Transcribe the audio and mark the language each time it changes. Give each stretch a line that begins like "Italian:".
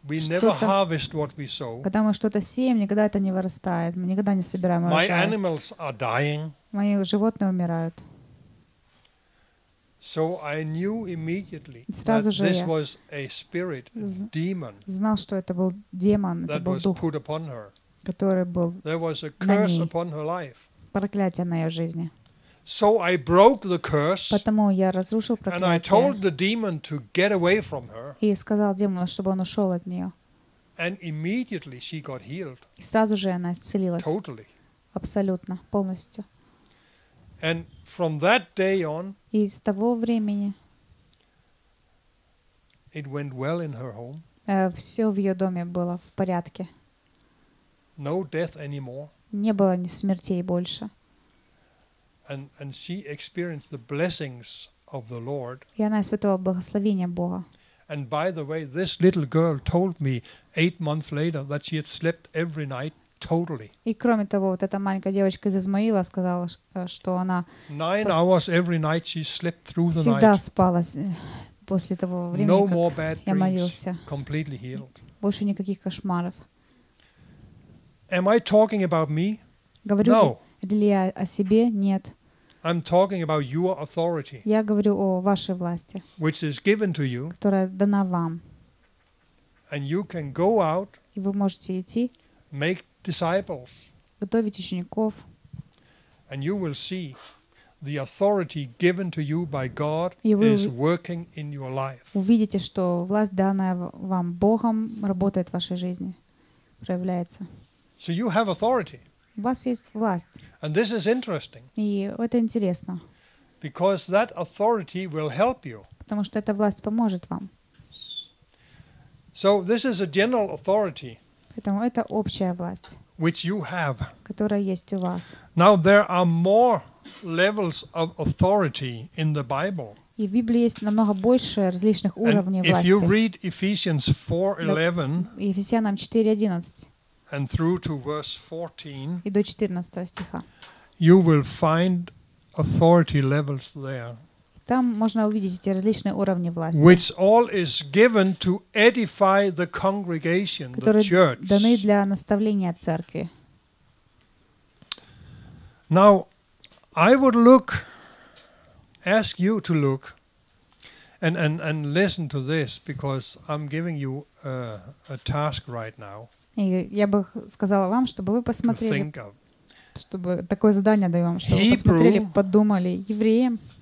English: We never harvest what we sow.
Russian: Когда мы что-то сеем, никогда это не вырастает. Мы никогда не собираем урожай.
English: My animals are dying.
Russian: Мои животные умирают.
English: So I knew immediately that this was a spirit, a demon.
Russian: Знал, что это был демон, это был дух,
English: put upon her.
Russian: Который был
English: there was a curse upon her life.
Russian: Проклятие на ее жизни.
English: So I broke the curse.
Russian: Потому я разрушил проклятие.
English: And I told the demon to get away from her.
Russian: И сказал демону, чтобы он ушел от нее.
English: And immediately she got healed.
Russian: И сразу же она исцелилась.
English: Totally.
Russian: Абсолютно, полностью.
English: And from that day on,
Russian: и с того времени,
English: it went well in her home.
Russian: Все в ее доме было в порядке.
English: No death anymore.
Russian: Не было ни смертей больше.
English: And she experienced the blessings of the Lord.
Russian: И она испытывала благословение Бога.
English: And by the way, this little girl told me 8 months later that she had slept every night. Totally.
Russian: И кроме того, вот эта маленькая девочка из Измаила сказала, что она всегда спала после того времени,
English: no
Russian: как
English: more bad dreams,
Russian: я молился.
English: Completely healed.
Russian: Больше никаких кошмаров.
English: Am I talking about me?
Russian: Говорю
English: no.
Russian: ли я о себе? Нет.
English: I'm talking about your authority,
Russian: я говорю о вашей власти,
English: which is given to you,
Russian: которая дана вам.
English: And you can go out,
Russian: и вы можете идти,
English: make disciples.
Russian: Готовить учеников.
English: And you will see the authority given to you by God is working in your life.
Russian: Увидите, что власть, данная вам Богом, работает в вашей жизни, проявляется.
English: So you have authority.
Russian: У вас есть власть.
English: And this is interesting.
Russian: И это интересно.
English: Because that authority will help you.
Russian: Потому что эта власть поможет вам.
English: So this is a general authority.
Russian: Поэтому это общая власть,
English: which you have,
Russian: которая есть у вас.
English: Now there are more levels of authority in the Bible.
Russian: И в Библии есть намного больше различных уровней
English: and
Russian: власти.
English: If you read Ephesians 4:11,
Russian: Ефесянам 4:11,
English: and through to verse 14,
Russian: и до 14 стиха,
English: you will find authority levels there.
Russian: Там можно увидеть эти различные уровни власти,
English: which all is given to edify the congregation,
Russian: которые
English: the church.
Russian: Даны для наставления церкви.
English: Now, I would look, ask you to look, and listen to this, because I'm giving you a task right now.
Russian: И я бы сказала вам, чтобы вы посмотрели, чтобы такое задание даю вам, чтобы
English: Hebrew,
Russian: посмотрели, подумали, евреям.